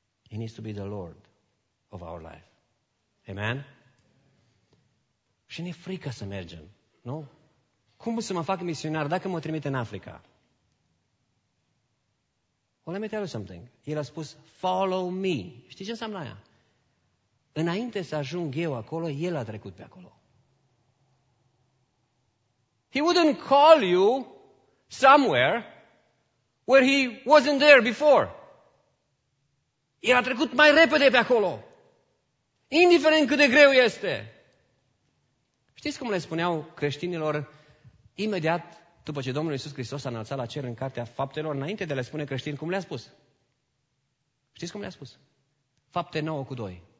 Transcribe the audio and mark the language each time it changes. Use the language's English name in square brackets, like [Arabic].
[English] He needs to be the Lord of our life. [Romanian] Amen? Și ne frică să mergem, nu? Cum să mă fac misionar dacă mă trimite în Africa? [English] Well, let me tell you something. [Romanian] El a spus, [English] follow me. [Romanian] Știi ce înseamnă aia? Înainte să ajung eu acolo, el a trecut pe acolo. [English] He wouldn't call you somewhere where he wasn't there before. [Romanian] El a trecut mai repede pe acolo. Indiferent cât de greu este. Știți cum le spuneau creștinilor imediat după ce Domnul Iisus Hristos a înălțat la cer în cartea faptelor, înainte de a le spune creștini, cum le-a spus? Știți cum le-a spus? Fapte 9:2.